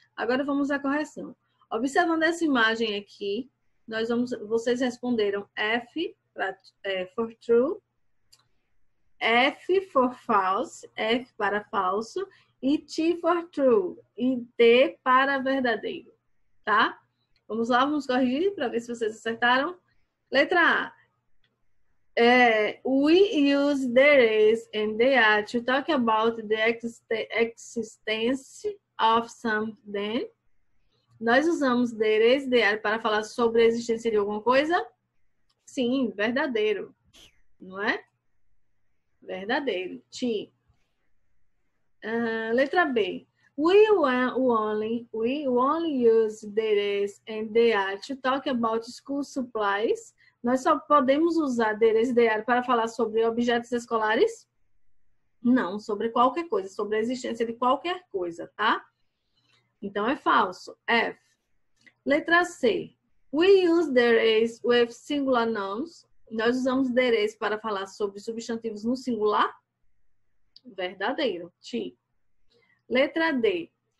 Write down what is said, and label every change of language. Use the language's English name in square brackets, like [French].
[Portuguese] Agora vamos à correção. Observando essa imagem aqui, vocês responderam [English] F for true. F for false, [Portuguese] F para falso, e [English] T for true, [Portuguese] e T para verdadeiro, tá? Vamos lá, vamos corrigir para ver se vocês acertaram. Letra A. [English] We use there is and there are to talk about the existence of something. [Portuguese] Nós usamos there is, there are para falar sobre a existência de alguma coisa? Sim, verdadeiro, não é? Verdadeiro. T. Letra B. [English] We only use there is and there are to talk about school supplies. [Portuguese] Nós só podemos usar there is, there are para falar sobre objetos escolares? Não, sobre qualquer coisa, sobre a existência de qualquer coisa, tá? Então é falso. F. Letra C. [English] We use there is with singular nouns. [Portuguese] Nós usamos there is para falar sobre substantivos no singular? Verdadeiro. T. Letra D.